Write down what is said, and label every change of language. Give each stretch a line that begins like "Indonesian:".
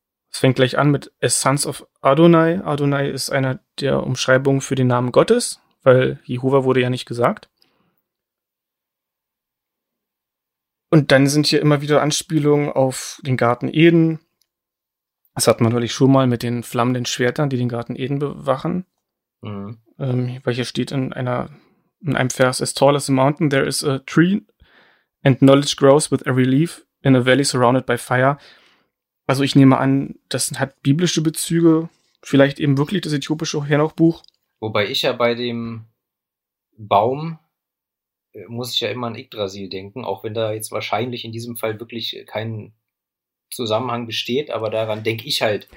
German: Es fängt gleich an mit As Sons of Adonai. Adonai ist einer der Umschreibungen für den Namen Gottes, weil Jehova wurde ja nicht gesagt. Und dann sind hier immer wieder Anspielungen auf den Garten Eden. Das hat man natürlich schon mal mit den flammenden Schwertern, die den Garten Eden bewachen. Mhm. Weil hier steht in einem Vers,
English: as tall as a mountain, there is a tree and knowledge grows with every leaf in a valley surrounded by fire.
German: Also ich nehme an, das hat biblische Bezüge, vielleicht eben wirklich das äthiopische Henoch-Buch. Wobei ich ja bei dem Baum, muss ich ja immer an Yggdrasil denken, auch wenn da jetzt wahrscheinlich in diesem Fall wirklich kein Zusammenhang besteht, aber daran denke ich halt.